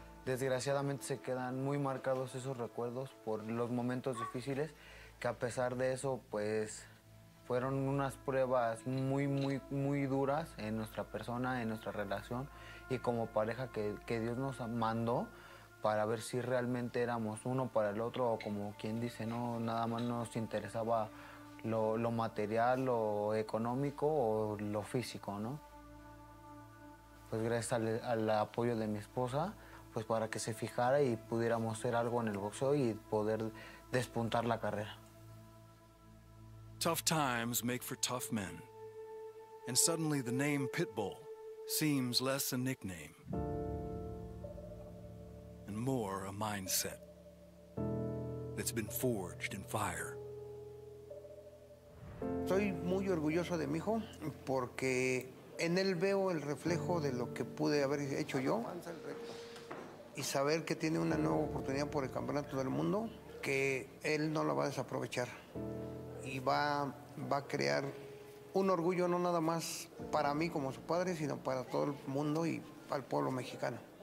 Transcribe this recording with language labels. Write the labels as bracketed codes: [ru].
[es] Desgraciadamente se quedan muy marcados esos recuerdos por los momentos difíciles, que a pesar de eso, pues fueron unas pruebas muy, muy, muy duras en nuestra persona, en nuestra relación y como pareja que Dios nos mandó para ver si realmente éramos uno para el otro o como quien dice, no, nada más nos interesaba lo material, lo económico o lo físico, ¿no? Pues gracias al apoyo de mi esposa, pues para que se fijara y pudiéramos hacer algo en el boxeo y poder despuntar la carrera. [en] Tough times make for tough men. And suddenly the name Pitbull seems less a nickname and more a mindset that's been forged in fire. [es] Soy muy orgulloso de mi hijo porque en él veo el reflejo de lo que pude haber hecho yo y saber que tiene una nueva oportunidad por el campeonato del mundo, que él no la va a desaprovechar y va a crear un orgullo no nada más para mí como su padre, sino para todo el mundo y para el pueblo mexicano.